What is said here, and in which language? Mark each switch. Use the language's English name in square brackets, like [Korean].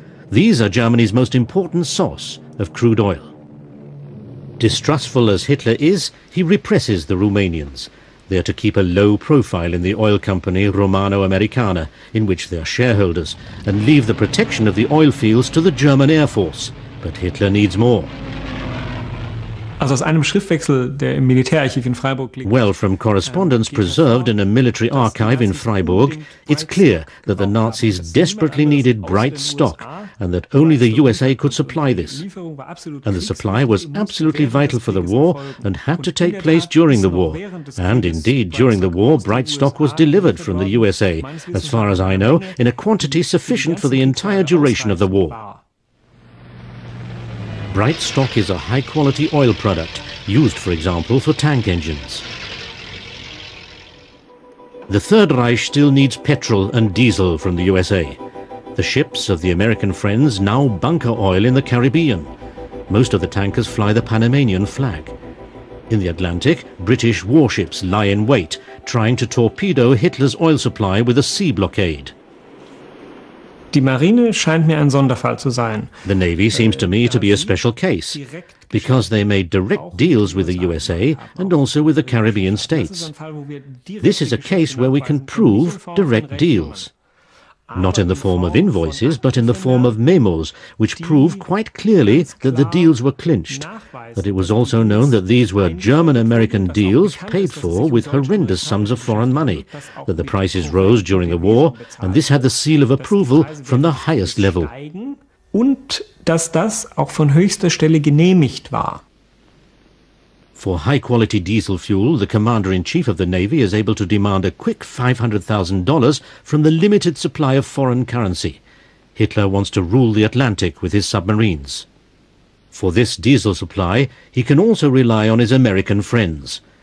[English] These are Germany's most important source of crude oil. Distrustful as Hitler is, he represses the Romanians. They are to keep a low profile in the oil company Romano-Americana, in which they are shareholders, and leave the protection of the oil fields to the German Air Force. But Hitler needs more. [German] Also aus einem Schriftwechsel, der im Militärarchiv in Freiburg liegt. [English] Well, from correspondence preserved in a military archive in Freiburg, it's clear that the Nazis desperately needed bright stock and that only the USA could supply this. And the supply was absolutely vital for the war and had to take place during the war. And indeed, during the war, bright stock was delivered from the USA, as far as I know, in a quantity sufficient for the entire duration of the war. Bright stock is a high-quality oil product, used, for example, for tank engines. The Third Reich still needs petrol and diesel from the USA. The ships of the American friends now bunker oil in the Caribbean. Most of the tankers fly the Panamanian flag. In the Atlantic, British warships lie in wait, trying to torpedo Hitler's oil supply with a sea blockade. [German] Die Marine scheint mir ein Sonderfall zu sein. [English] The Navy seems to me to be a special case, because they made direct deals with the USA and also with the Caribbean states. This is a case where we can prove direct deals. Not in the form of invoices, but in the form of memos, which prove quite clearly that the deals were clinched. But it was also known that these were German-American deals paid for with horrendous sums of foreign money, that the prices rose during the war, and this had the seal of approval from the highest level. [German] Und dass das auch von höchster Stelle genehmigt war. [English] For high-quality diesel fuel, the Commander-in-Chief of the Navy is able to demand a quick $500,000 from the limited supply of foreign currency. Hitler wants to rule the Atlantic with his submarines. For this diesel supply, he can also rely on his American friends.